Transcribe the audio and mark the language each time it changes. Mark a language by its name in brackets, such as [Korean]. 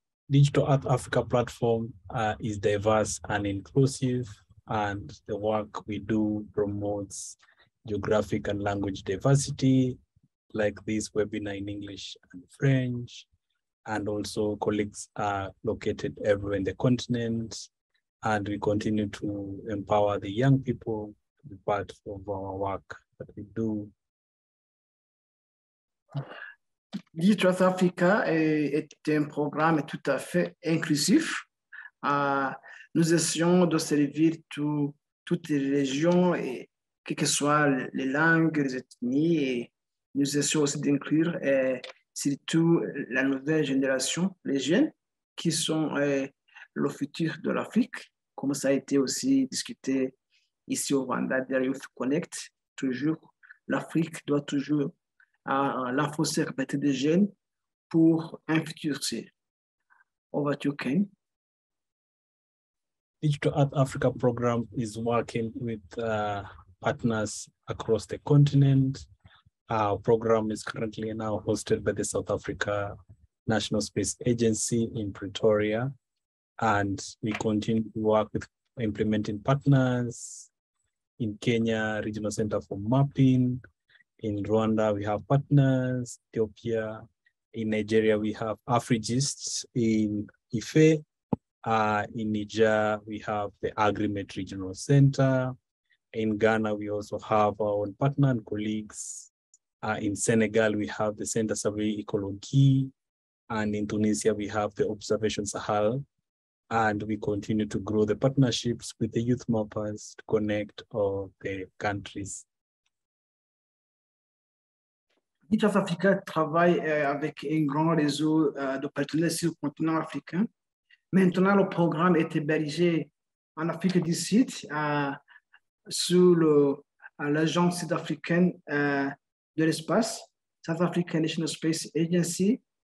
[English] Digital Earth Africa platform is diverse and inclusive, and the work we do promotes geographic and language diversity, like this webinar in English and French, and also colleagues are located everywhere in the continent, and we continue to empower the young people to be part of our work that we do. [French] Digital Earth Africa est un programme tout à fait inclusif. Nous essayons de servir toutes les régions, et quelles que soient les langues, les ethnies, et nous essayons aussi d'inclure surtout la nouvelle génération, les jeunes, qui sont le futur de l'Afrique, comme ça a été aussi discuté ici au Rwanda, derrière Youth Connect. Toujours, l'Afrique doit toujours à la fausse répétition des jeunes pour un futur. [English] Over to Ken. Digital Earth Africa program is working with partners across the continent. Our program is currently now hosted by the South Africa National Space Agency in Pretoria. And we continue to work with implementing partners in Kenya, Regional Center for Mapping. In Rwanda, we have partners, Ethiopia. In Nigeria, we have AfriGists. In Ife, in Niger, we have the AgriMet Regional Center. In Ghana, we also have our own partner and colleagues. In Senegal, we have the Center Survey Ecology. And in Tunisia, we have the Observation Sahel. And we continue to grow the partnerships with the youth mappers to connect all the countries. [French] Digital Africa travaille avec un grand réseau de partenaires sur le continent africain. Maintenant, le programme est hébergé en Afrique du Sud sous l'Agence sud-africaine de l'espace, South African National Space Agency.